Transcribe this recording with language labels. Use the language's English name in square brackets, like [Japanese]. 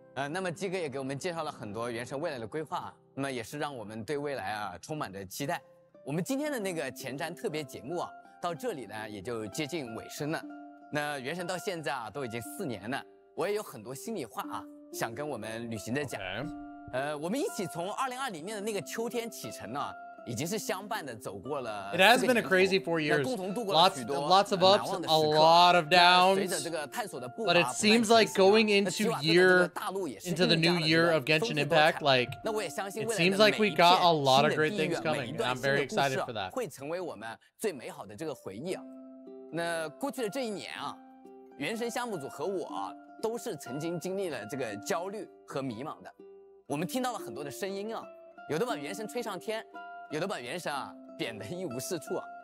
[Chinese] 那么基哥也给我们介绍了很多原神未来的规划，那么也是让我们对未来啊充满着期待。我们今天的那个前瞻特别节目啊，到这里呢也就接近尾声了。那原神到现在啊都已经四年了，我也有很多心里话啊想跟我们旅行者讲。我们一起从2020年的那个秋天启程呢，已经是相伴的走过了。 [English] It has been a crazy 4 years. Lots of ups, a lot of downs, but it seems like going into the new year of Genshin Impact, like, it seems like we got a lot of great things coming, and I'm very excited for that. [Chinese] 会成为我们最美好的这个回忆。那过去的这一年啊，原神项目组和我都是曾经经历了这个焦虑和迷茫的。我们听到了很多的声音啊，有的把原神吹上天，有的把原神贬得一无是处啊。